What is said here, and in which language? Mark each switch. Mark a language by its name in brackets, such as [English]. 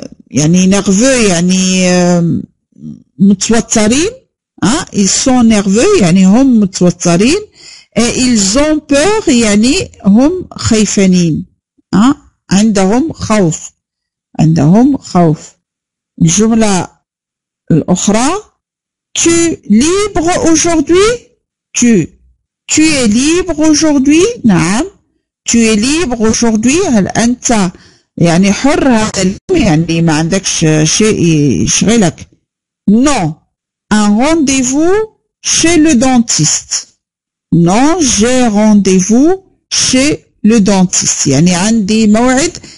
[Arabic] يعني nerveux، يعني متوترين، [French] ils sont nerveux، [Arabic] يعني هم متوترين، [French] et ils ont peur، [Arabic] يعني هم خايفين، عندهم خوف، عندهم خوف. الجملة الأخرى، [French] tu libre aujourd'hui، tu es libre aujourd'hui، [Arabic] نعم، tu es libre aujourd'hui، هل أنت يعني حر هذا اليوم، يعني ما عندكش شيء يشغلك. [French] non، un rendez-vous chez le dentiste، non، j'ai rendez-vous chez le dentiste، [Arabic] يعني عندي موعد